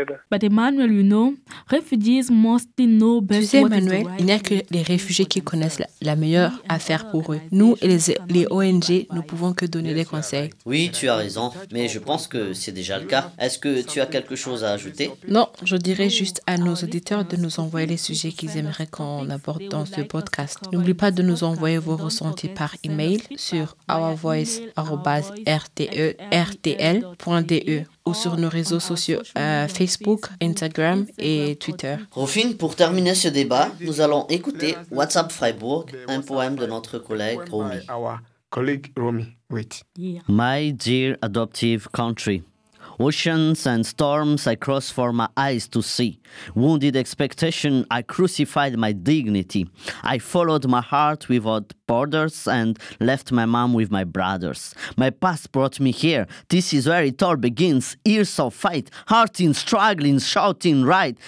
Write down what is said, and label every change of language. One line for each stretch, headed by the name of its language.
English: But Emmanuel, you know, refugees mostly know best.
French: Tu sais, Emmanuel, il n'y a que les réfugiés qui connaissent la meilleure affaire pour eux. Nous et les ONG, nous pouvons que donner des conseils. Oui, tu as raison, mais je pense que c'est déjà le cas. Est-ce que tu as quelque chose à ajouter? Non, je dirais juste à nos auditeurs de nous envoyer les sujets qu'ils aimeraient qu'on aborde dans ce podcast. N'oublie pas de nous envoyer vos ressentis par email sur ourvoice@rtl.de. ou sur nos réseaux sociaux Facebook, Instagram et Twitter. Rufine, pour terminer ce débat, nous allons écouter WhatsApp Freiburg, un poème de notre collègue Romy.
English: Our colleague Romy, wait. My dear adoptive country, Oceans and storms I crossed for my eyes to see. Wounded expectation, I crucified my dignity. I followed my heart without borders and left my mom with my brothers. My past brought me here. This is where it all begins. Years of fight, heart in struggling, shouting right.